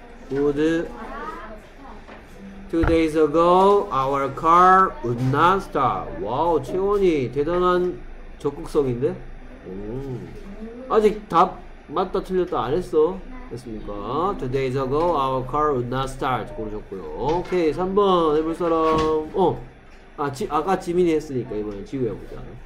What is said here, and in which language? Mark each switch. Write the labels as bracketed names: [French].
[English] Would two days ago our car would not start. [Korean] 와우, 채원이 대단한 적극성인데? 오. 아직 답 맞다 틀렸다 안 했어? 됐습니까? [English] Two days ago our car would not start [Korean] 고르셨고요. 오케이, 3번 해볼 사람. 어. 아, 아까 지민이 했으니까 이번엔 지우 해보자.